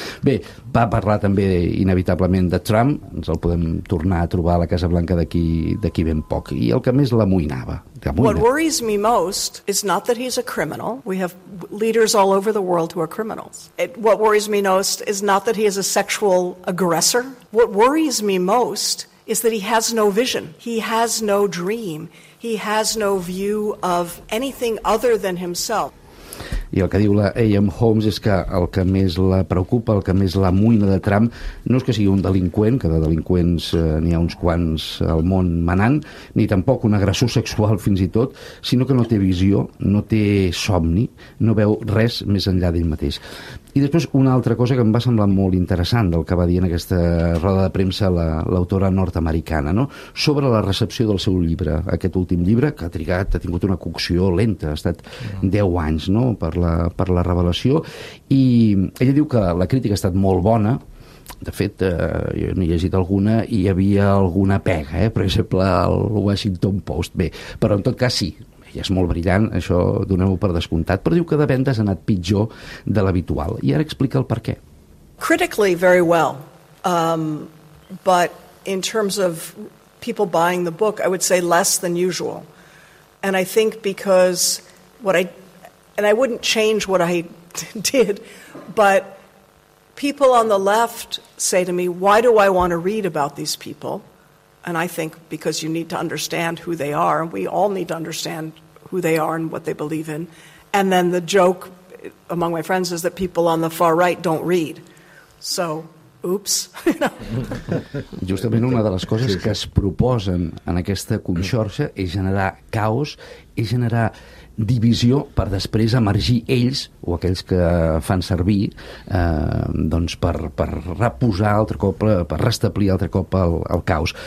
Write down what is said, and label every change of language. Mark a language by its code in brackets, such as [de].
[ca] Bé, va parlar també, inevitablement, de Trump. Ens el podem tornar a trobar a la Casa Blanca d'aquí ben poc. I el que més l'amoïnava. [en] What worries me most is not that he's a criminal. We have leaders all over the world who are criminals. What worries me most is not that he is a sexual aggressor. What worries me most is that he has no vision. He has no dream. He has no view of anything other than himself. [ca] I el que diu la A.M. Holmes és que el que més la preocupa, el que més l'amoïna de Trump, no és que sigui un delinqüent, que de delinqüents n'hi ha uns quants al món manant, ni tampoc un agressor sexual fins i tot, sinó que no té visió, no té somni, no veu res més enllà d'ell mateix. I després una altra cosa que em va semblar molt interessant del que va dir en aquesta roda de premsa l'autora nord-americana, no? Sobre la recepció del seu llibre, aquest últim llibre, que ha tingut una cocció lenta, ha estat 10 anys, no?, per la revelació, i ella diu que la crítica ha estat molt bona. De fet, jo n'he llegit alguna i hi havia alguna pega, per exemple, el Washington Post. Bé, però en tot cas sí, ella és molt brillant, això donem-ho per descomptat, però diu que de vendes ha anat pitjor de l'habitual. I ara explica el per què. [en] Critically, very well. But in terms of people buying the book, I would say less than usual. And I think because And I wouldn't change what I did, but people on the left say to me, why do I want to read about these people? And I think because you need to understand who they are, and we all need to understand who they are and what they believe in. And then the joke among my friends is that people on the far right don't read. So, oops. [ca] Justament una de les coses que es proposen en aquesta conxorxa és generar caos, és generar divisió per després emergir ells o aquells que fan servir doncs per reposar altre cop, per restablir altre cop el caos.